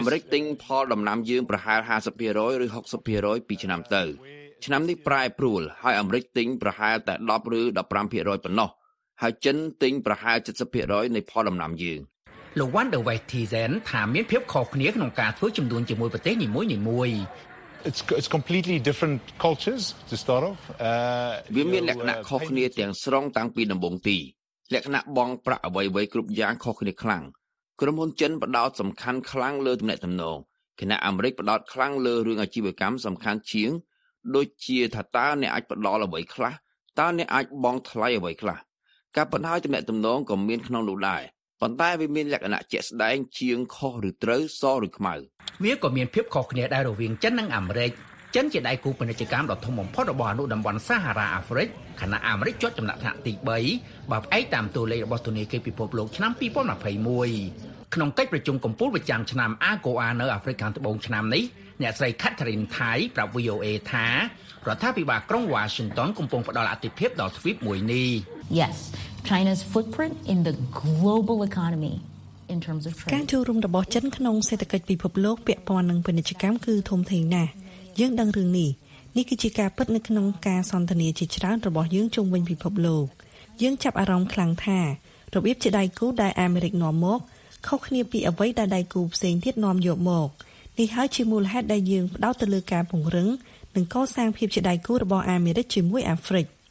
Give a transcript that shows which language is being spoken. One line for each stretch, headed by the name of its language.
Khmer: Amerikting ផលដំណាំយើងប្រហែល 50% ឬ 60% ពីឆ្នាំទៅឆ្នាំនេះប្រែប្រួលហើយអាមេរិកទិញប្រហែលតែ10ឬ15%ប៉ុណ្ណោះហើយចិនទិញប្រហែល 70% នៃផលដំណាំយើង លោក Van der Westhuizen ថាមានភាពខុសគ្នាក្នុងការធ្វើចំនួនជាមួយប្រទេសនីមួយ
English: it's completely different cultures to start off
Khmer: វាមានលក្ខណៈខុសគ្នាទាំងស្រុងតាំងពីដំបូងទីលក្ខណៈបងប្រាក់អ្វីៗគ្រប់យ៉ាងខុសគ្នាខ្លាំងក្រុមហ៊ុនចិនផ្ដោតសំខាន់ខ្លាំងលើទំនាក់ទំនងខណៈអាមេរិកផ្ដោតខ្លាំងលើរឿងអាជីវកម្មសំខាន់ជាងដូចជាថាតើអ្នកអាចផ្ដល់អ្វីខ្លះតើអ្នកអាចបង់ថ្លៃអ្វីខ្លះការបណ្ដោយទំនាក់ទំនងក៏មានក្នុងនោះដែរប៉ុន្តែវាមានលក្ខណៈជាក់ស្ដែងជាងខុសឬត្រូវសឬខ្មៅ វាក៏មានភាពខុសគ្នាដែររវាងចិននិងអាមេរិកចិនជាដៃគូពាណិជ្ជកម្មដ៏ធំបំផុតរបស់អនុតំបន់សាហារ៉ាអាហ្វ្រិកខណៈអាមេរិកជាប់ចំណាត់ថ្នាក់ទី3បើផ្អែកតាមតួលេខរបស់ធនាគារពិភពលោកឆ្នាំ2021ក្នុងកិច្ចប្រជុំកំពូលប្រចាំឆ្នាំអាកូអានៅអាហ្វ្រិកខាងត្បូងឆ្នាំនេះអ្នកស្រី Catherine Thai ប្រាប់ VOA ថារដ្ឋាភិបាលក្រុង Washington កំពុងផ្ដល់អាទិភាពដល់ទ្វីបមួយនេះ
English: Yes China's footprint in the global economy in terms of trade
Khmer: ការចូលរួមរបស់ចិនក្នុងសេដ្ឋកិច្ចពិភពលោកពាក់ព័ន្ធនឹងពាណិជ្ជកម្មគឺធំធេងណាស់យើងដឹងរឿងនេះនេះគឺជាការពិតនៅក្នុងការសន្ទនាជាច្រើនរបស់យើងជុំវិញពិភពលោកយើងចាប់អារម្មណ៍ខ្លាំងថារបៀបជាដៃគូដែលអាមេរិកនាំមកខុសគ្នាពីអ្វីដែលដៃគូផ្សេងទៀតនាំយកមកនេះហើយជាមូលហេតុដែលយើងផ្ដោតទៅលើការពង្រឹងនិងកសាងភាពជាដៃគូរបស់អាមេរិកជាមួយអាហ្វ្រិក